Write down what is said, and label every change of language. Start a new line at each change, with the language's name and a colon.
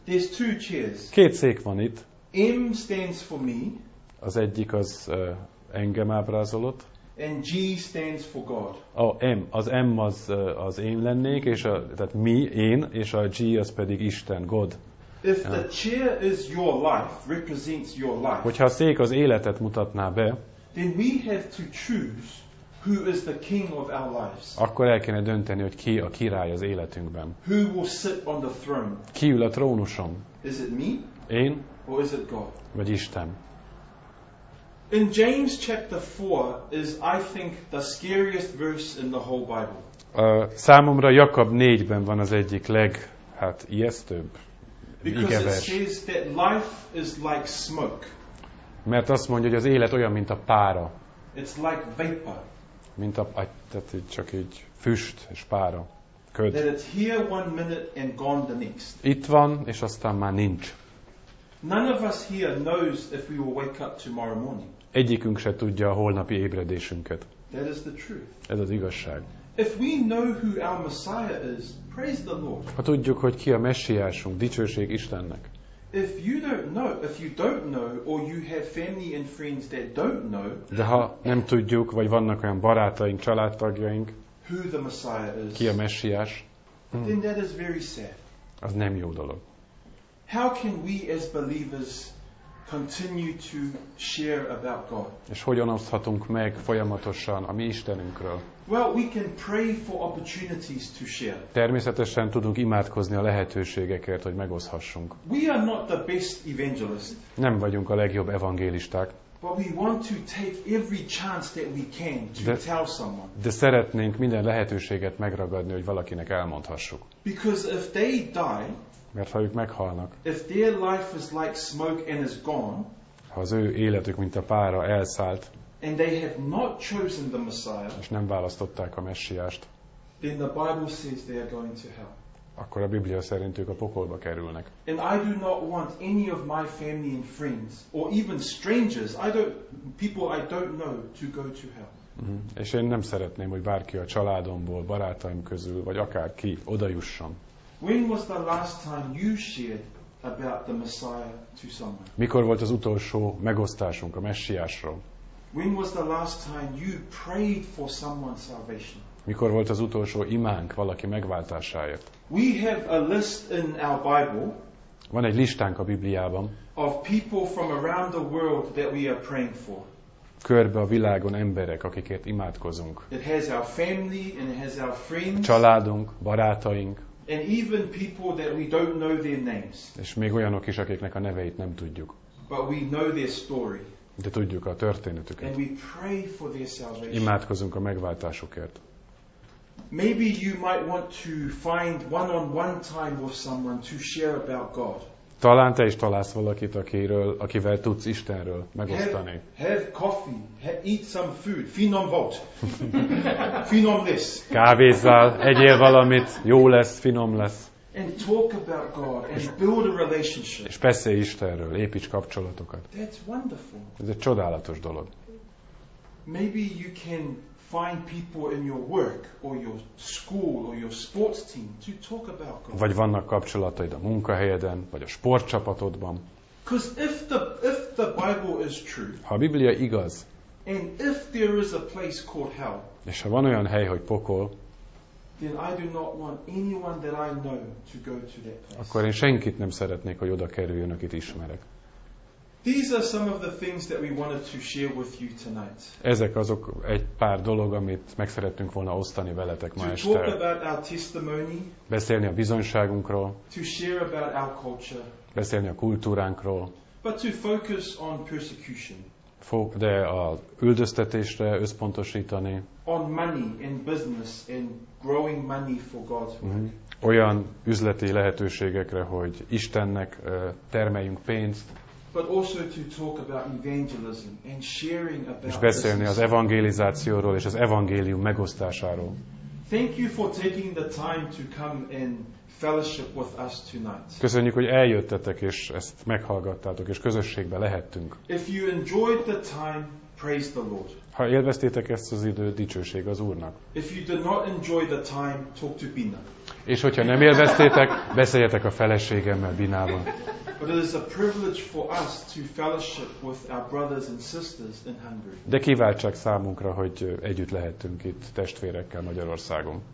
English: There's two chairs.
Hungarian: Két szék van itt.
English: M stands for me.
Hungarian: Az egyik az engem ábrázolott.
English: And G stands for God.
Hungarian: Az én lennék, és a, tehát mi, én, és a G az pedig Isten, God.
English: If the chair is your life, represents your life.
Hungarian: Hogyha a szék az életet mutatná be,
English: then we have to choose who is the king of our lives.
Hungarian: Akkor el kéne dönteni, hogy ki a király az életünkben.
English: Who will sit on the throne?
Hungarian: Ki ül a trónuson?
English: Is it me?
Hungarian: Én?
English: Or is it God?
Hungarian: Vagy Isten?
English: In James chapter 4 is I think the scariest verse in the whole Bible.
Hungarian: Számomra Jakab 4-ben van az egyik leghát ijesztőbb.
English: Because it says that life is like smoke.
Hungarian: Mert azt mondja, hogy az élet olyan mint a pára.
English: It's like vapor.
Hungarian: Mint a tehát csak egy füst és pára. Köd.
English: That it's here one minute and gone the next.
Hungarian: Itt van és aztán már nincs.
English: None of us here knows if we will wake up tomorrow morning.
Hungarian: Egyikünk se tudja a holnapi ébredésünket.
English: That is the truth.
Hungarian: Ez az igazság.
English: If we know who our Messiah is, praise the Lord.
Hungarian: Ha tudjuk, hogy ki a Messiásunk, dicsőség Istennek.
English: If you don't know, if you don't know, or you have family and friends that don't know.
Hungarian: De ha nem tudjuk, vagy vannak olyan barátaink, családtagjaink.
English: Who the Messiah is.
Hungarian: Ki a Messiás.
English: Then that is very sad.
Hungarian: Az nem jó dolog.
English: How can we as believers continue to share about God?
Hungarian: És hogyan oszthatunk meg folyamatosan a mi Istenünkről?
English: Well, we can pray for opportunities to share.
Hungarian: Természetesen tudunk imádkozni a lehetőségekért, hogy megoszhassunk.
English: We are not the best evangelists.
Hungarian: Nem vagyunk a legjobb evangélisták.
English: But we want to take every chance that we can to tell someone.
Hungarian: De szeretnénk minden lehetőséget megragadni, hogy valakinek elmondhassuk.
English: Because if they die,
Hungarian: mert ha ők meghalnak,
English: if their life is like smoke and is gone,
Hungarian: ha az ő életük mint a pára elszállt,
English: and they have not chosen the Messiah,
Hungarian: és nem választották a Messiást,
English: then the Bible says they are going to hell.
Hungarian: Akkor a Biblia szerint ők a pokolba kerülnek.
English: And I do not want any of my family and friends, or even strangers, people I don't know, to go to hell. Mm-hmm.
Hungarian: És én nem szeretném, hogy bárki a családomból, barátaim közül, vagy akár ki odajusson.
English: When was the last time you shared about the Messiah to someone?
Hungarian: Mikor volt az utolsó megosztásunk a Messiásról?
English: When was the last time you prayed for someone's salvation?
Hungarian: Mikor volt az utolsó imánk valaki megváltásáért?
English: We have a list in our Bible.
Hungarian: Van egy listánk a Bibliában.
English: Of people from around the world that we are praying for.
Hungarian: Körbe a világon emberek, akikért imádkozunk.
English: It has our family and it has our friends.
Hungarian: Családunk, barátaink.
English: And even people that we don't know their names.
Hungarian: És még olyanok is, akiknek a neveit nem tudjuk.
English: But we know their story.
Hungarian: De tudjuk a történetüket.
English: And we pray for their salvation.
Hungarian: Imádkozunk a megváltásukért.
English: Maybe you might want to find one-on-one time with someone to share about God.
Hungarian: Talán te is találsz valakit, akiről, akivel tudsz Istenről megosztani.
English: Have coffee, eat some food,
Hungarian: finom volt, finom lesz. Kávézzál, egyél valamit, jó lesz, finom lesz.
English: And talk about God and build a relationship.
Hungarian: És beszélj Istenről, építs kapcsolatokat.
English: That's wonderful.
Hungarian: Ez egy csodálatos dolog.
English: Maybe you can find people in your work or your school or your sports team to talk about God.
Hungarian: Vagy vannak kapcsolataid a munkahelyeden, vagy a sportcsapatodban.
English: Because if the Bible is true.
Hungarian: Ha a Biblia igaz.
English: And if there is a place called hell.
Hungarian: És ha van olyan hely, hogy pokol.
English: Then I do not want anyone that I know to go to that place.
Hungarian: Akkor én senkit nem szeretnék, hogy oda kerüljön, akit ismerek.
English: These are some of the things that we wanted to share with you tonight.
Hungarian: Ezek azok egy pár dolog, amit meg szerettünk volna osztani veletek ma este.
English: To talk about our testimony.
Hungarian: Beszélni a bizonyságunkról.
English: To share about our culture.
Hungarian: Beszélni a kultúránkról.
English: But to focus on persecution.
Hungarian: De a üldöztetésre összpontosítani.
English: On money and business and growing money for God's work.
Hungarian: Olyan üzleti lehetőségekre, hogy Istennek termeljünk pénzt.
English: But also to talk about evangelism and sharing about
Hungarian: és beszélni az evangelizációról és az evangélium megosztásáról.
English: Thank you for taking the time to come and fellowship with us tonight.
Hungarian: Köszönjük, hogy eljöttetek és ezt meghallgattátok és közösségbe lehettünk.
English: If you enjoyed the time, praise the Lord.
Hungarian: Ha élveztétek ezt az időt, dicsőség az Úrnak.
English: If you did not enjoy the time, talk to Bina.
Hungarian: És hogyha nem élveztétek, beszéljetek a feleségemmel, Binával.
English: But it is a privilege for us to fellowship with our brothers and sisters in Hungary.
Hungarian: De kiváltság számunkra, hogy együtt lehetünk itt testvérekkel Magyarországon.